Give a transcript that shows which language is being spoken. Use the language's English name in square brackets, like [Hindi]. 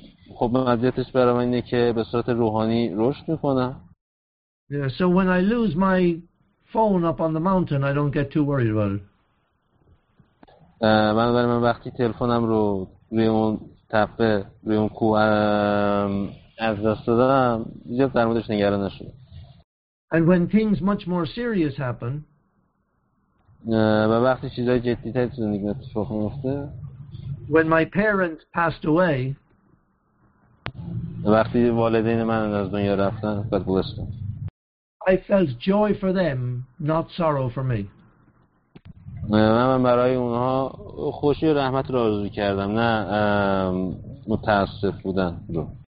[Persian] خب مزیتش برای من اینه که به صورت روحانی رشد می‌کنم. [English] Yeah, so when I lose my phone up on the mountain I don't get too worried about it [Persian] من وقتی تلفنم رو روی اون تپه روی اون کوه از دست دادم زیاد در موردش نگران نشدم [English] and when things much more serious happen [Persian] وقتی چیزای جدی تری تو زندگی اتفاق میفته [English] when my parents passed away [Persian] وقتی والدین من از دنیا رفتن [English] God bless them I felt joy for them, not sorrow for me. [Persian] من برای اونها خوشی و رحمت را آرزو کردم نه متاسف بودن رو.